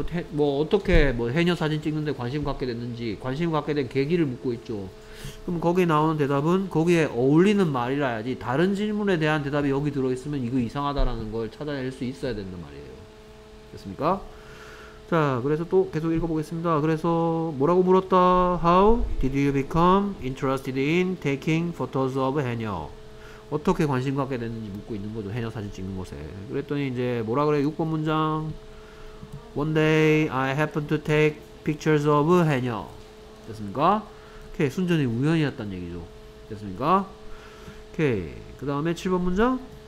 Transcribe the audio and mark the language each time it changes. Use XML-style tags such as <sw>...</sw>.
<ko>뭐 어떻게 뭐 해녀 사진 찍는데 관심 갖게 됐는지 관심 갖게 된 계기를 묻고 있죠. 그럼 거기에 나오는 대답은 거기에 어울리는 말이라 해야지 다른 질문에 대한 대답이 여기 들어있으면 이거 이상하다라는 걸 찾아낼 수 있어야 된단 말이에요. 됐습니까? 자 그래서 또 계속 읽어보겠습니다. 그래서 뭐라고 물었다?</ko> <en>How did you become interested in taking photos of 해녀?</en> <ko>어떻게 관심 갖게 됐는지 묻고 있는 거죠. 해녀 사진 찍는 것에. 그랬더니 이제 뭐라 그래? 6번 문장.</ko> <en>One day I happened to take pictures of 해녀.</en> <ko>됐습니까? 오케이. 순전히 우연이었단 얘기죠. 됐습니까? 오케이. 그 다음에 7번 문장.</ko>